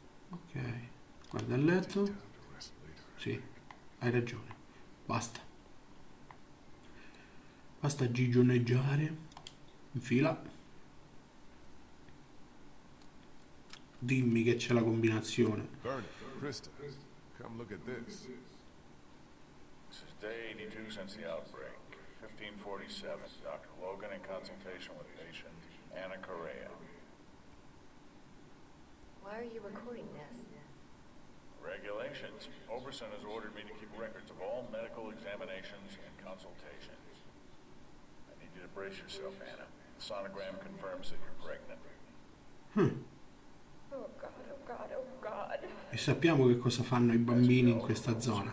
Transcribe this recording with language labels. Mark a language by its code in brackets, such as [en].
[it] Ok, guarda il letto. Sì, hai ragione. Basta. Basta gigioneggiare. In fila. Dimmi che c'è la combinazione. [en] Krista, come look at this. This is day 82 since the outbreak. 1547, Dr. Logan in consultation with patient Anna Correa. Why are you recording this? Regulations. Overson has ordered me to keep records of all medical examinations and consultations. I need you to brace yourself, Anna. The sonogram confirms that you're pregnant. Oh God, oh God, oh God. [it] E sappiamo che cosa fanno i bambini in questa zona.